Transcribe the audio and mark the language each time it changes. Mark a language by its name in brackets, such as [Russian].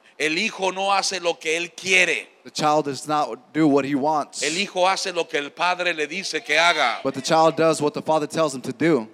[Spanish] El hijo no hace lo que él quiere. [English] The child does not do what he wants. [Spanish] El hijo hace lo que el padre le dice que haga. [English] But the child does what the father tells him to do.